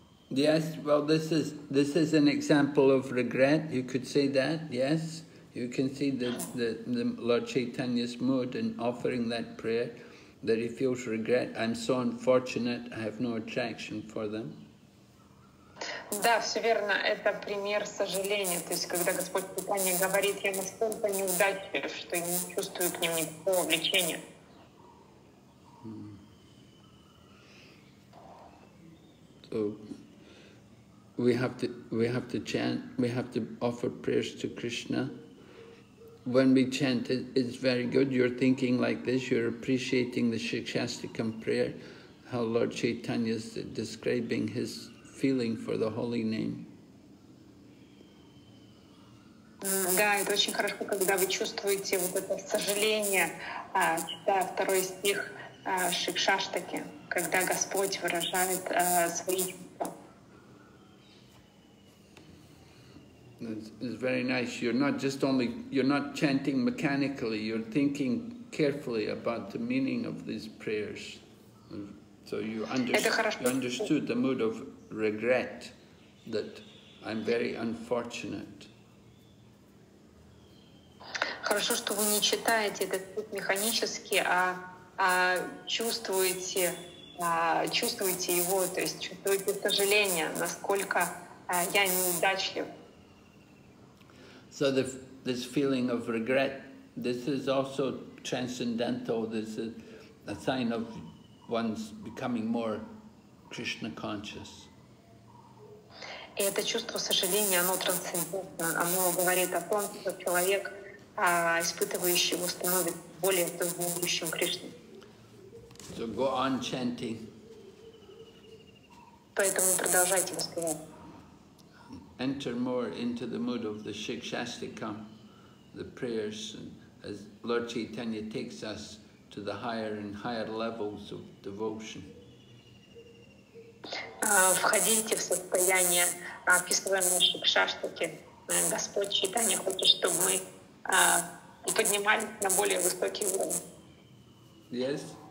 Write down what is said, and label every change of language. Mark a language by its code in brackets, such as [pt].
[en] Yes, well, this is an example of regret, you could say that, yes. You can see the Lord Chaitanya's mood in offering that prayer, that he feels regret. I'm so unfortunate, I have no attraction for them. [ru] Да, все верно. Это пример сожаления. То есть, когда Господь Питание говорит, я настолько неудачлив, что я не чувствую к ним никакого влечения. [en] So we have to chant, we have to offer prayers to Krishna. When we chant, it's very good. You're thinking like this, you're appreciating the Shikshastikam prayer, how Lord Chaitanya is describing his feeling for the holy name. [ru] Да, это очень хорошо, когда вы чувствуете вот это сожаление, читая второй стих Шикшаштаки, когда Господь выражает свои. [en] It's very nice. You're not chanting mechanically. You're thinking carefully about the meaning of these prayers. So you understood the mood of regret, that I'm very unfortunate. [ru] Хорошо, что вы не читаете этот путь механически, а чувствуете его, то есть чувствуете сожаление, насколько я неудачлив. [en] So this feeling of regret, this is also transcendental. This is a sign of one's becoming more Krishna conscious. [ru] И это чувство сожаления, оно трансцендентно. Оно говорит о том, что человек, испытывающий его, становится более сознающим Кришне. [en] So go on chanting. [ru] Поэтому продолжайте воспевать. [en] Enter more into the mood of the Shikshastikam, the prayers, and as Lord Chaitanya takes us to the higher and higher levels of devotion. [ru] Входите в состояние, описываемое в Шикшаштике. Господь Чайтанья хочет, чтобы мы поднимались на более высокий уровень. [en] Yes?